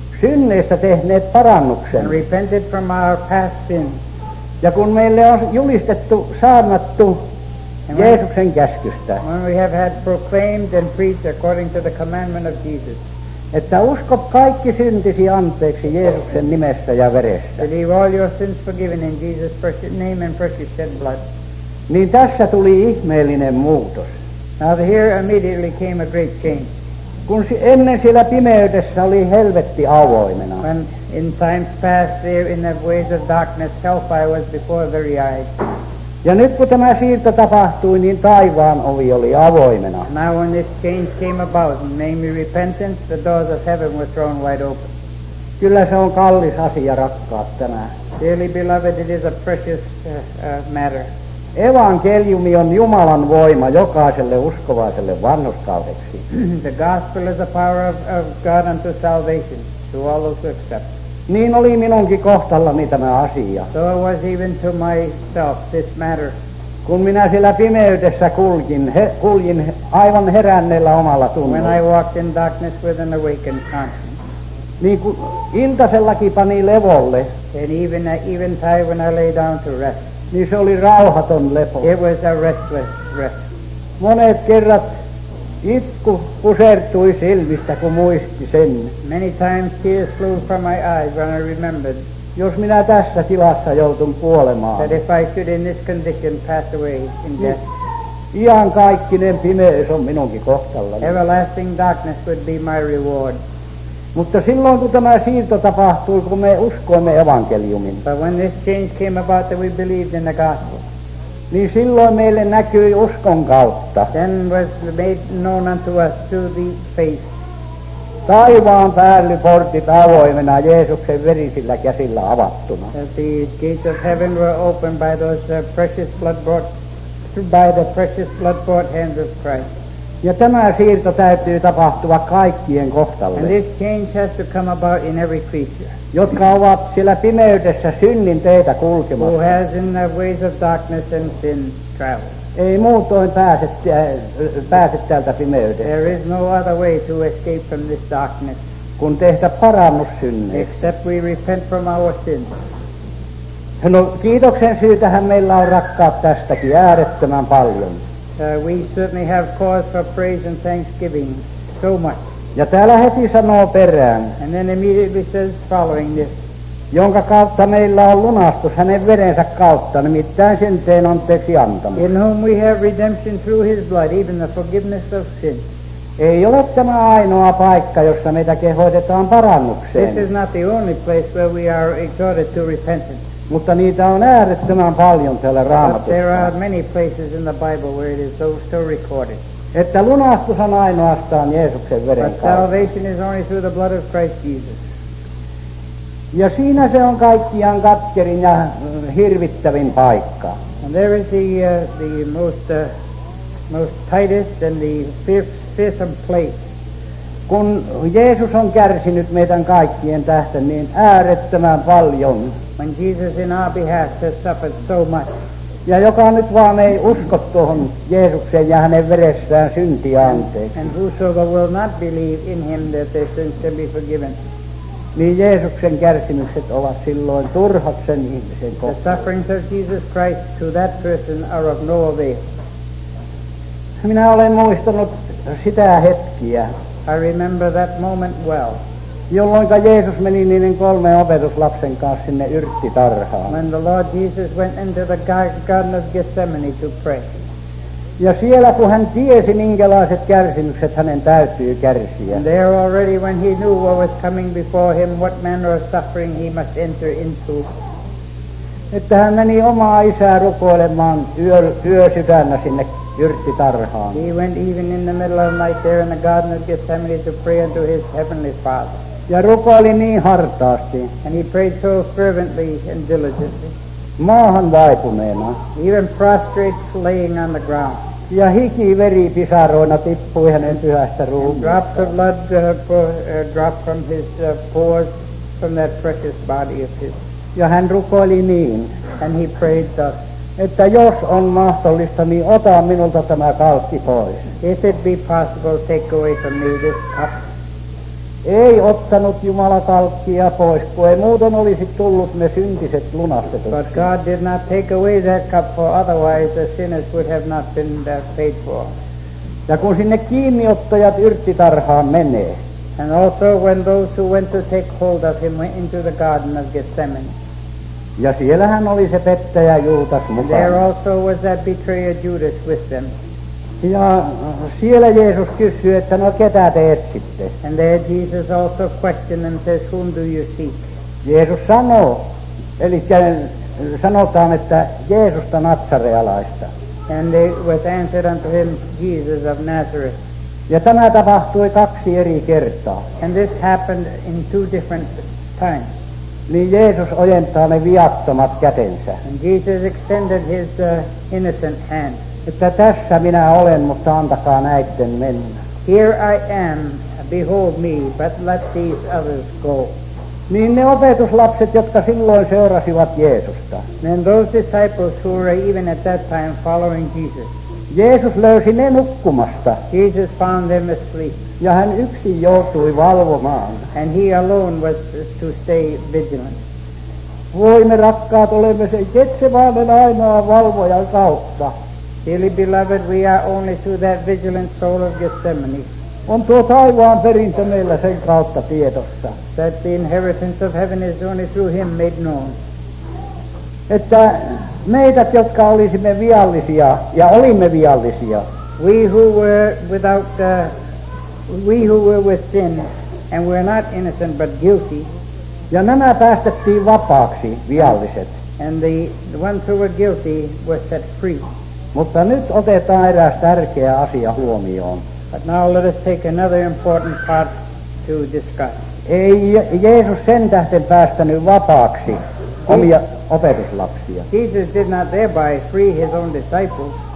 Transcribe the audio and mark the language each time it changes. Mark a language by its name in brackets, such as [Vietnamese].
[Finnish] Synneistä tehneet parannuksen. [English] And repented from our past sins. [Finnish] Ja kun meille on julistettu, saarnattu Jeesuksen käskystä. [English] When we have had proclaimed and preached according to the commandment of Jesus. [Finnish] Että usko kaikki syntisi anteeksi Jeesuksen nimessä ja veressä. [English] Believe all your sins forgiven in Jesus' precious name and precious shed blood. [Finnish] Niin tässä tuli ihmeellinen muutos. [English] Now here immediately came a great change. [Finnish] Kun ennen siellä pimeydessä oli helvetti avoimena. [English] When in times past there in the ways of darkness hellfire was before very eyes. [Finnish] Ja nyt kun tämä siirto tapahtui, niin taivaan ovi oli avoimena. [English] Now when this change came about, namely repentance, the doors of heaven were thrown wide open. [Finnish] Kyllä se on kallis asia, rakkaat tämä. [English] Dearly beloved, it is a precious matter. [Finnish] Evankeliumi on Jumalan voima jokaiselle uskovaiselle vanhurskaudeksi. [English] The gospel is the power of God unto salvation to all those who accept. [Finnish] Niin oli minunkin kohtallani tämä asia. [English] So it was even to myself this matter. [Finnish] Kun minä siellä pimeydessä kuljin, kuljin aivan heränneellä omalla tunnolla. [English] When I walked in darkness with an awakened conscience. [Finnish] Niin kun iltasellakin pani levolle. [English] And even at eventide when I lay down to rest. [Finnish] Niin se oli rauhaton lepo. [English] It was a restless rest. [Finnish] Monet kerrat itku pusertui silmistä, kun muisti sen. [English] Many times tears flew from my eyes when I remembered. [Finnish] Jos minä tässä tilassa joutun kuolemaan. [English] That if I should in this condition pass away in death. [Finnish] Iankaikkinen pimeys on minunkin kohtallani. [English] Everlasting darkness would be my reward. [Finnish] Mutta silloin kun tämä siirto tapahtui, kun me uskoimme evankeliumin. [English] But when this change came about that we believed in the gospel. [Finnish] Niin silloin meille näkyi uskon kautta. [English] Then was made known unto us through the faith. [Finnish] Taivaan päälli portit avoimena Jeesuksen verisillä käsillä avattuna. [English] That the gates of heaven were opened by those precious blood brought, by the precious blood brought hands of Christ. [Finnish] Ja tämä siirto täytyy tapahtua kaikkien kohtalle. [English] And this change has to come about in every creature. [Finnish] Jotka ovat siellä pimeydessä synnin teitä kulkemassa. [English] Who has in the ways of darkness and sin travel. [Finnish] Ei muutoin pääse täältä pimeydestä. [English] There is no other way to escape from this darkness. [Finnish] Kun tehdä parannus synneistä. [English] Except we repent from our sins. [Finnish] No kiitoksen syytähän meillä on rakkaat tästäkin äärettömän paljon. [English] We certainly have cause for praise and thanksgiving so much. [Finnish] Ja täällä heti sanoo perään. [English] And then immediately says following this. [Finnish] Jonka kautta meillä on lunastus hänen verensä kautta, nimittäin synteen anteeksi antamus. [English] In whom we have redemption through his blood, even the forgiveness of sins. [Finnish] Ei ole tämä ainoa paikka, jossa meitä kehoitetaan parannukseen. [English] This is not the only place where we are exhorted to repentance. [Finnish] Mutta niitä on äärettömän paljon täällä Raamatussa. [English] But there are many places in the Bible where it is so recorded. [Finnish] Että lunastus on ainoastaan Jeesuksen veren kautta. [English] But salvation is only through the blood of Christ Jesus. [Finnish] Ja siinä se on kaikkiaan katkerin ja hirvittävin paikka. [English] And there is the most tightest and the fearsome place. [Finnish] Kun Jeesus on kärsinyt meidän kaikkien tähden niin äärettömän paljon. [English] When Jesus in our behalf has suffered so much. [Finnish] Ja joka nyt vaan ei usko tuohon Jeesukseen ja hänen veressään syntiä anteeksi. [English] And whosoever will not believe in him that their sins can be forgiven. [Finnish] Niin Jeesuksen kärsimykset ovat silloin turhat sen ihmisen kohdalla. [English] The sufferings of Jesus Christ to that person are of no avail. [Finnish] Minä olen muistanut sitä hetkiä. [English] I remember that moment well. [Finnish] Jolloinka Jeesus meni niiden kolme opetuslapsen kanssa sinne yrttitarhaan. [English] When the Lord Jesus went into the Garden of Gethsemane to pray. [Finnish] Ja siellä kun hän tiesi minkälaiset kärsimykset hänen täytyy kärsiä. [English] And there already when he knew what was coming before him, what manner of suffering he must enter into. [Finnish] Että hän meni omaa isää rukoilemaan yösydännä sinne yrttitarhaan. [English] He went even in the middle of the night there in the Garden of Gethsemane to pray unto his heavenly Father. [Finnish] Ja rukoili niin hartaasti. [English] And he prayed so fervently and diligently. [Finnish] Maahan vaipuneena. [English] Even prostrate laying on the ground. [Finnish] Ja hiki veri pisaroina tippui hänen pyhästä ruumiin. [English] Drops of blood dropped from his pores from that precious body of his. [Finnish] Ja hän rukoili niin. [English] And he prayed thus. [Finnish] Että jos on mahdollista, niin ota minulta tämä kalkki pois. [English] If it be possible, take away from me this cup. [Finnish] Ei ottanut Jumala kalkkia pois, kun ei muuten olisi tullut ne syntiset lunastetuksi. [English] But God did not take away that cup, for otherwise the sinners would have not been paid for. [Finnish] Ja kun sinne kiinniottajat yrttitarhaan menee. [English] And also when those who went to take hold of him went into the Garden of Gethsemane. [Finnish] Ja siellähän oli se pettäjä Juutas mukana. [English] There also was that betrayer Judas with them. [Finnish] Ja siellä Jeesus kysyi, että no ketä te etsitte? [English] And there Jesus also questioned and says, whom do you seek? [Finnish] Jeesus sanoo, eli sanotaan, että Jeesusta natsarealaista. [English] And it was answered unto him, Jesus of Nazareth. [Finnish] Ja tämä tapahtui kaksi eri kertaa. [English] And this happened in two different times. [Finnish] Niin Jeesus ojentaa ne viattomat kätensä. [English] And Jesus extended his innocent hand. [Finnish] Että tässä minä olen, mutta antakaa näitten mennä. [English] Here I am, behold me, but let these others go. [Finnish] Niin ne opetuslapset, jotka silloin seurasivat Jeesusta. [English] And those disciples who were even at that time following Jesus. [Finnish] Jeesus löysi ne nukkumasta. [English] Jesus found them asleep. [Finnish] Ja hän yksin joutui valvomaan. [English] And he alone was to stay vigilant. [Finnish] Voi me rakkaat, olemme sen Getsemanen ainoa valvojan kautta. [English] Dearly beloved, we are only through that vigilant soul of Gethsemane. [Finnish] On tuo taivaan perintö meillä sen kautta tiedossa. [English] That the inheritance of heaven is only through him made known. [Finnish] Että meidät, jotka olisimme viallisia, ja olimme viallisia. [English] We who were without, we who were with sin, and were not innocent but guilty. [Finnish] Ja nämä päästettiin vapaaksi, vialliset. [English] And the ones who were guilty were set free. [Finnish] Mutta nyt otetaan eräs tärkeä asia huomioon. [English] But now let us take another important part to discuss. [Finnish] Ei Jeesus sen tähden päästänyt vapaaksi omia opetuslapsia. [English] Jesus did not thereby free his own disciples.